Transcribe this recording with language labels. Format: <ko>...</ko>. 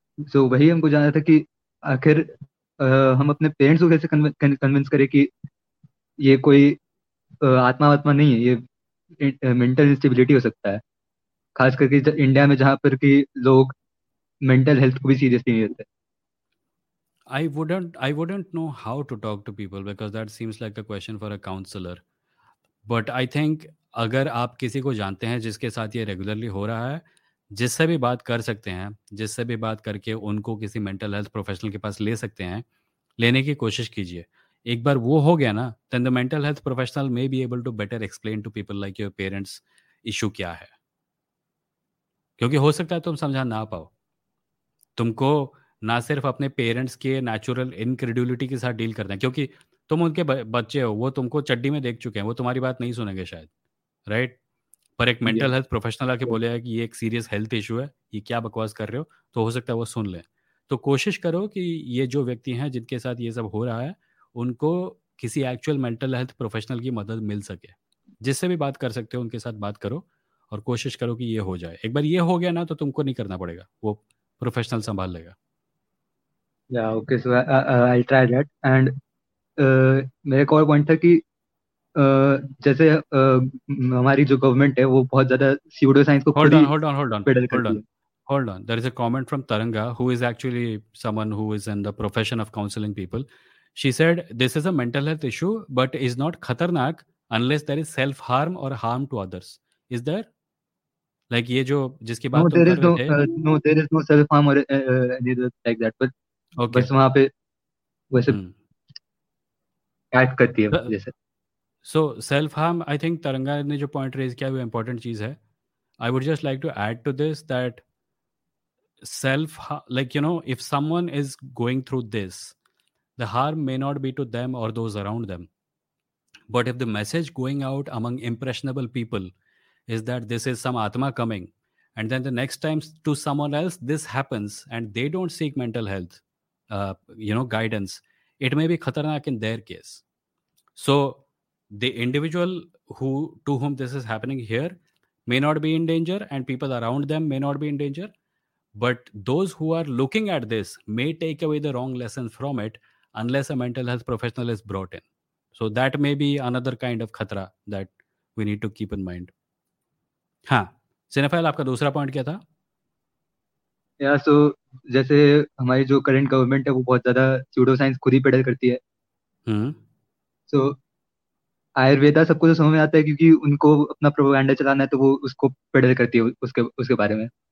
<hi>So, वही हमको जाना था कि आखिर हम अपने पेरेंट्स को कैसे कन्विंस करें कि ये कोई आत्मा नहीं है, ये मेंटल इंस्टेबिलिटी हो सकता है, खास करके इंडिया में जहाँ पर कि लोग मेंटल हेल्थ को भी सीरियसली नहीं लेते।</hi> <en>I wouldn't know how to talk to people because that seems like a question for a counselor. But I think</en> <hi>अगर आप किसी को जानते हैं जिसके साथ ये रेगुलरली हो रहा है, जिससे भी बात कर सकते हैं, जिससे भी बात करके उनको किसी मेंटल हेल्थ प्रोफेशनल के पास ले सकते हैं, लेने की कोशिश कीजिए. एक बार वो हो गया ना,</hi> <en>then the mental health professional may be able to better explain to people like your parents issue</en> <hi>क्या है. क्योंकि हो सकता है तुम समझा ना पाओ. तुमको ना सिर्फ अपने पेरेंट्स के नेचुरल इनक्रेडुलिटी के साथ डील करना है, क्योंकि तुम उनके बच्चे हो, वो तुमको चड्डी में देख चुके हैं, वो तुम्हारी बात नहीं सुनेंगे शायद, राइट? पर एक मेंटल हेल्थ प्रोफेशनल आके बोलेगा कि ये एक सीरियस हेल्थ इशू है, ये क्या बकवास कर रहे हो, तो हो सकता है वो सुन ले. तो कोशिश करो कि ये जो व्यक्ति हैं जिनके साथ ये सब हो रहा है, उनको किसी एक्चुअल मेंटल हेल्थ प्रोफेशनल की मदद मिल सके. जिससे भी बात कर सकते हो उनके साथ बात करो, और कोशिश करो कि ये हो जाए. एक बार ये हो गया ना, तो तुमको नहीं करना पड़ेगा, वो प्रोफेशनल संभाल लेगा.</hi> <en>Yeah, okay, so I'll try that.</en> <hi>And मेरे को और पॉइंट था कि जैसे हमारी जो गवर्नमेंट है वो बहुत ज्यादा स्यूडो साइंस को खुद ही पेडल करती है.</hi> <en>Hold on. There is a comment from Taranga, who is actually someone who is in the profession of counseling people. She said, this is a mental health issue, but is not khatarnak unless there is self-harm or harm to others. Is there? Like</en> <hi>ye jo jiski baat tum kar rahe the?</hi> <en>No, there is no self-harm or anything like that. But okay.</en> <hi>बस वहाँ पे वैसे add करती है जैसे.</hi> <en>So self-harm, I think Taranga</en> <hi>ने जो</hi> <en>point raise</en> <hi>किया वो</hi> <en>important</en> <hi>चीज़ है.</hi> <en>I would just like to add to this that self, like you know, if someone is going through this, the harm may not be to them or those around them, but if the message going out among impressionable people is that this is some atma coming, and then the next time to someone else this happens and they don't seek mental health guidance, it may be khatarnak in their case. So the individual who to whom this is happening here may not be in danger, and people around them may not be in danger, but those who are looking at this may take away the wrong lesson from it unless a mental health professional is brought in. So that may be another kind of khatra that we need to keep in mind.</en> <hi>हाँ, cinephile आपका दूसरा point क्या था? या सो जैसे हमारी जो current government है वो बहुत ज्यादा स्यूडो साइंस खुद ही पेडल करती है. सो आयुर्वेदा सबको तो समझ में आता है क्योंकि उनको अपना प्रोपेगेंडा चलाना है, तो वो उसको पेडल करती है उसके बारे में.</hi>